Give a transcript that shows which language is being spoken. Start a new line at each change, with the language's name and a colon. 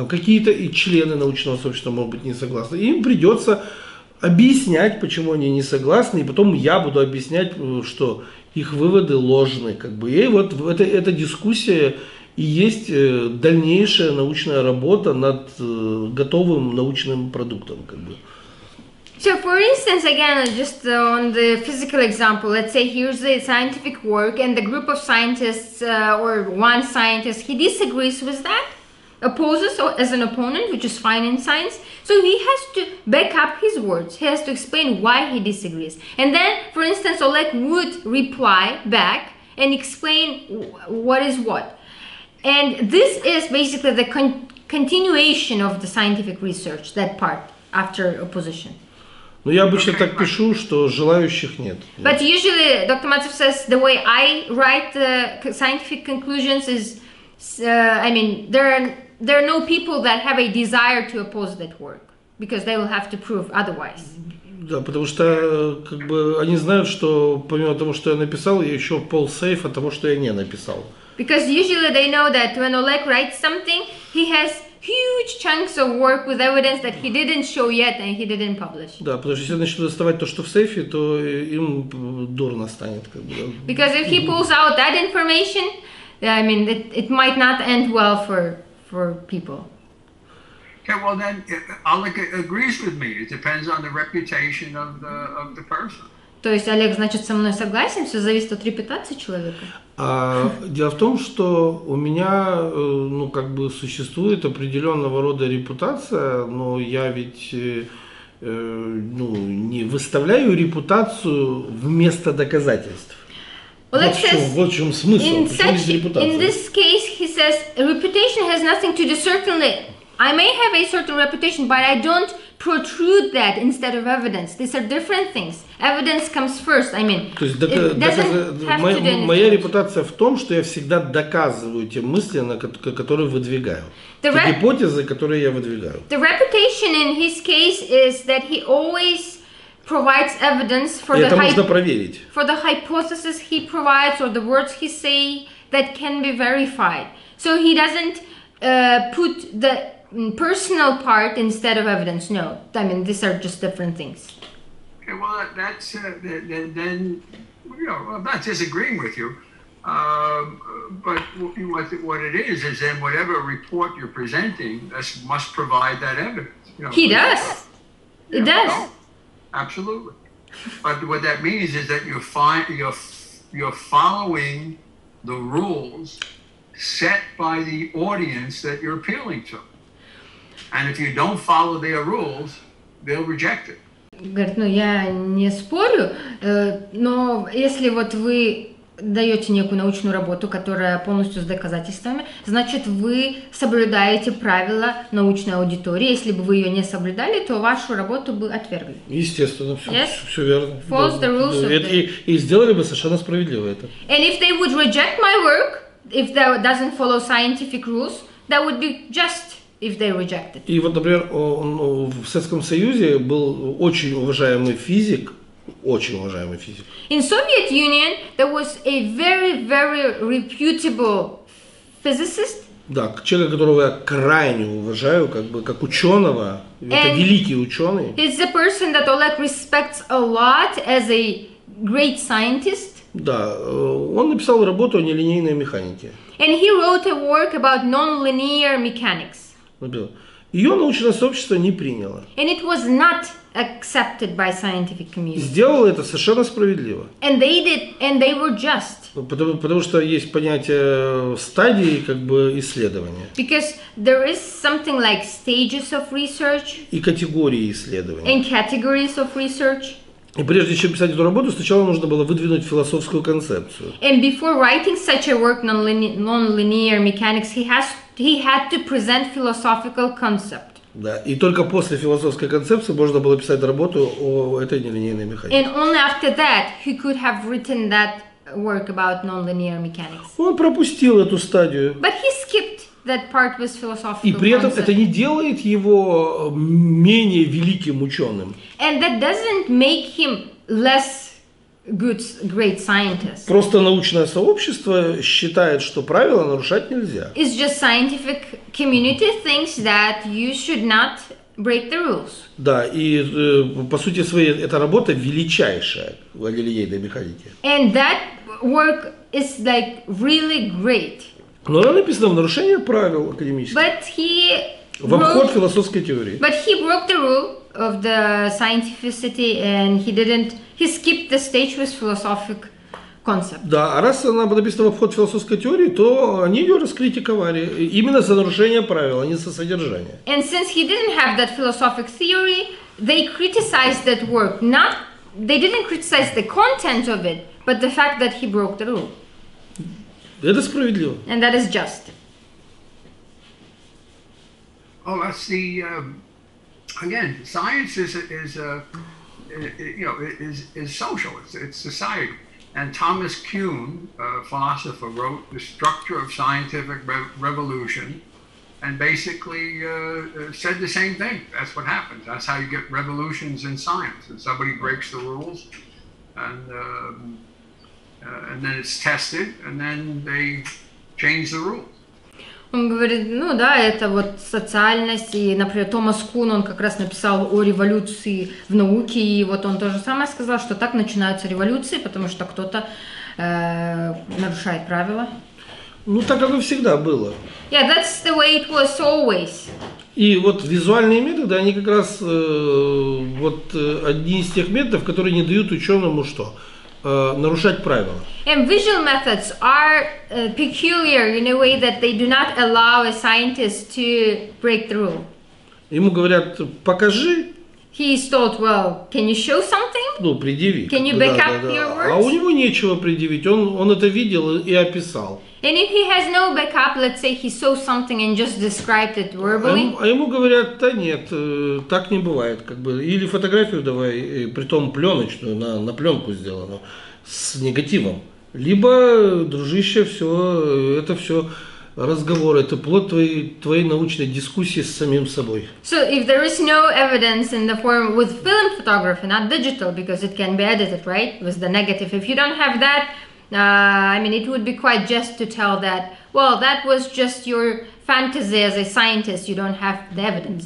Russian: Там какие-то и члены научного сообщества могут быть не согласны. Им придется объяснять, почему они не согласны, и потом я буду объяснять, что их выводы ложны. Как бы. И вот эта дискуссия и есть дальнейшая научная работа над готовым научным продуктом. Как бы.
English: So, for instance, again, just on the physical example, let's say here's a scientific work and the group of scientists or one scientist, he disagrees with that, opposes or as an opponent, which is fine in science. So he has to back up his words. He has to explain why he disagrees. And then, for instance, Oleg would reply back and explain what is what. And this is basically the continuation of the scientific research, that part after opposition.
Russian: Но я обычно так пишу, что желающих нет.
English: But usually, Dr. Matsev says, the way I write the scientific conclusions is, I mean, there are no people that have a desire to oppose that work, because they will have to prove otherwise.
Russian: Да, потому что как бы они знают, что помимо того, что я написал, я еще пол сейф от того, что я не написал.
English: Because usually they know that when Oleg writes something, he has huge chunks of work with evidence that he didn't show yet and he didn't publish.
Russian: Да, потому что если начнут доставать то, что в сейфе, то им дурно станет, как бы.
English: Because if he pulls out that information, I mean, it might not end well for people. Okay, well then, Oleg agrees with me. It depends on the reputation of the person.
Russian: То есть Олег, значит, со мной согласен, все зависит от репутации человека. А, дело в том, что у меня, ну, как бы существует определенного рода репутация, но я ведь ну, не выставляю репутацию вместо доказательств. Олег вот в чем смысл?
English: In
Russian: почему
English: such, репутация? In this case, he says, reputation has nothing to do. Certainly, I may have a certain reputation, but I don't protrude that instead of evidence. These are different things. Evidence comes first. I mean,
Russian: то есть моя репутация в том, что я всегда доказываю те мысли, которые выдвигаю. Гипотезы, которые я выдвигаю.
English: The reputation in his case is that he always provides evidence for the for the hypothesis he provides or the words he say that can be verified. So he doesn't put the personal part instead of evidence. No, I mean these are just different things. Okay, well, that's then you know, I'm not disagreeing with you, but what it is then whatever report you're presenting must provide that evidence. You know, he does. It yeah, does. Well, absolutely. But what that means is that you're following the rules set by the audience that you're appealing to. And if you don't follow their rules, they'll reject it.
Russian: Говорит, ну я не спорю, но если вот вы даете некую научную работу, которая полностью с доказательствами, значит вы соблюдаете правила научной аудитории. Если бы вы ее не соблюдали, то вашу работу бы отвергли. Естественно, все,
English: yes?
Russian: Все верно.
English: False the rules of it.
Russian: И сделали бы совершенно справедливо это.
English: And if they would reject my work, if that doesn't follow scientific rules, that would be just. If they reject it.
Russian: И вот, например, в Советском Союзе был очень уважаемый физик, очень уважаемый физик.
English: In Soviet Union there was a very, very reputable physicist.
Russian: Да, человек, которого я крайне уважаю, как бы как ученого, это великий ученый.
English: It's a person that Oleg respects a lot as a great scientist.
Russian: Да, он написал работу о нелинейной механике.
English: And he wrote a work about non-linear mechanics.
Russian: Ее научное сообщество не приняло.
English: And it was not accepted by scientific community.
Russian: Сделало это совершенно справедливо.
English: And they did, and they were just.
Russian: Потому что есть понятие стадии как бы исследования.
English: Because there is something like stages of research.
Russian: И категории исследований.
English: And categories of research.
Russian: И прежде чем писать эту работу, сначала нужно было выдвинуть философскую концепцию.
English: And before writing such a work, non-linear mechanics, he had to present philosophical concept.
Russian: Да. И только после философской концепции можно было писать работу о этой нелинейной механике.
English: And only after that he could have written that work about nonlinear mechanics.
Russian: Он пропустил эту стадию.
English: But he skipped that part with philosophical
Russian: И при этом
English: concept.
Russian: Это не делает его менее великим ученым.
English: And that doesn't make him less good, great scientist.
Russian: Просто научное сообщество считает, что правила нарушать нельзя.
English: It's just scientific community thinks that you should not break the rules.
Russian: Да, и по сути своей эта работа величайшая в нелинейной механике.
English: And that work is like really great.
Russian: Но она написана в нарушение правил академических.
English: But he
Russian: в обход философской теории.
English: But he broke the rule of the scientificity and he didn't. He skipped the stage with philosophic concept.
Russian: Да, а раз она написана в обход философской теории, то они ее раскритиковали именно за нарушение правил, а не за содержание.
English: And since he didn't have that philosophic theory, they criticized that work. Not, they didn't criticize the content of it, but the fact that he broke the rule.
Russian: Это справедливо.
English: And that is just. Oh, I see. Again, science is social. It's society. And Thomas Kuhn, a philosopher, wrote The Structure of Scientific Revolution, and basically said the same thing. That's what happens. That's how you get revolutions in science. And somebody breaks the rules, and then it's tested, and then they change the rules.
Russian: Он говорит, ну да, это вот социальность, и, например, Томас Кун, он как раз написал о революции в науке, и вот он то же самое сказал, что так начинаются революции, потому что кто-то нарушает правила. Ну, так как и всегда было.
English: Yeah, that's the way it was always.
Russian: И вот визуальные методы, они как раз одни из тех методов, которые не дают ученому что? Нарушать правила.
English: And visual methods are peculiar in a way that they do not allow a scientist to break the rule.
Russian: Ему говорят, покажи.
English: He is told, well, can you show something?
Russian: Ну, предъяви.
English: Can you back up your words?
Russian: А у него нечего предъявить, он это видел и описал.
English: And if he has no backup, let's say he saw something and just described it verbally.
Russian: А ему говорят, да нет, так не бывает, как бы. Или фотографию давай, при том пленочную, на пленку сделано, с негативом. Либо, дружище, все, это все разговор, это плод твоей научной дискуссии с самим собой.
English: So if there is no evidence in the form with film photography, not digital, because it can be edited, right? With the negative. If you don't have that, it would be quite just to tell that, well, that was just your fantasy as a scientist, you don't have the evidence.